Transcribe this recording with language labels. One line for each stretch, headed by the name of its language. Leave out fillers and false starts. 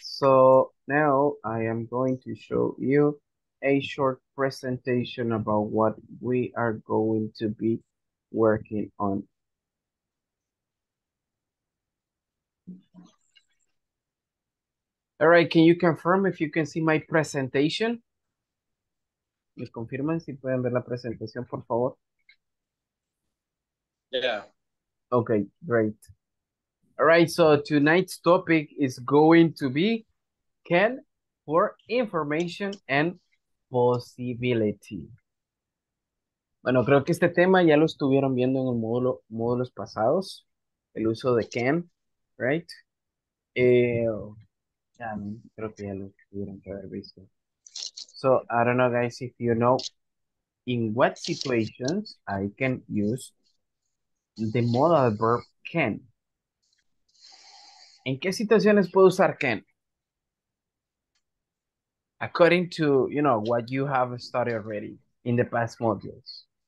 English: So now I am going to show you a short presentation about what we are going to be working on. All right, can you confirm if you can see my presentation?
Spanish: ¿Me confirman si pueden ver la presentación, por favor?
English: Yeah. Okay, great. All right, so tonight's topic is going to be can for information and possibility.
Spanish: Bueno, creo que este tema ya lo estuvieron viendo en el módulos pasados, el uso de can, right? Creo que ya lo tuvieron que haber visto.
English: So, I don't know, guys, if you know in what situations I can use the modal verb can.
Spanish: ¿En qué situaciones puedo usar can?
English: According to, you know, what you have studied already in the past modules.